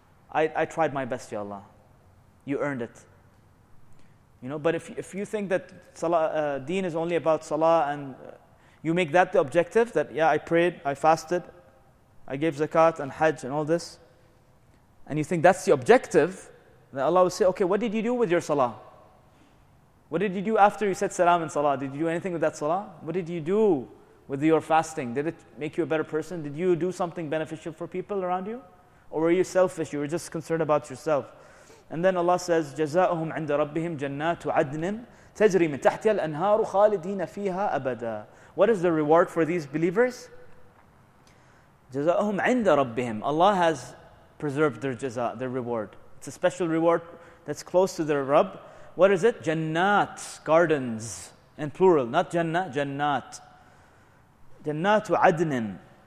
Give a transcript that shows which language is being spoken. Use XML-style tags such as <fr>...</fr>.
<en>I tried my best, Ya Allah. You earned it. You know, but if you think that salah, deen is only about salah and you make that the objective, that, yeah, I prayed, I fasted, I gave zakat and hajj and all this, and you think that's the objective, then Allah will say, okay, what did you do with your salah? What did you do after you said salam in salah? Did you do anything with that salah? What did you do with your fasting? Did it make you a better person? Did you do something beneficial for people around you? Or were you selfish? You were just concerned about yourself. And then Allah says,</en> <ar>جَزَاؤُهُمْ عِنْدَ رَبِّهِمْ جَنَّاتُ عَدْنٍ تَجْرِي مِنْ تَحْتِيَ الْأَنْهَارُ خَالِدِينَ فِيهَا أَبَدًا.</ar> <en>What is the reward for these believers?</en> <ar>جَزَاؤُهُمْ عِنْدَ رَبِّهِمْ.</ar> <en>Allah has preserved their jaza, their reward. It's a special reward that's close to their Rabb. What is it? Jannat, gardens, in plural. Not Jannah, Jannat. Jannatu Adnin.</en>